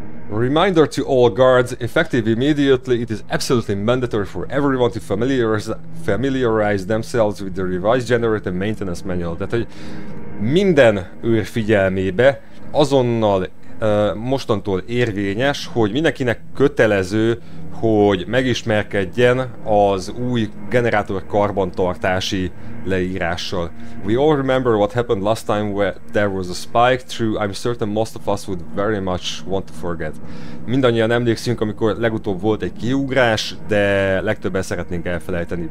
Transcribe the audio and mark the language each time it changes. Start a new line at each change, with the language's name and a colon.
English: Reminder to all guards, effective immediately, it is absolutely mandatory for everyone to familiarize themselves with the revised generator maintenance manual.
Hungarian: Tehát, hogy minden őr figyelmébe azonnal mostantól érvényes, hogy mindenkinek kötelező, hogy megismerkedjen az új generátor karbantartási leírással.
English: We all remember what happened last time where there was a spike, true, I'm certain most of us would very much want to forget.
Hungarian: Mindannyian emlékszünk, amikor legutóbb volt egy kiugrás, de legtöbben szeretnénk elfelejteni.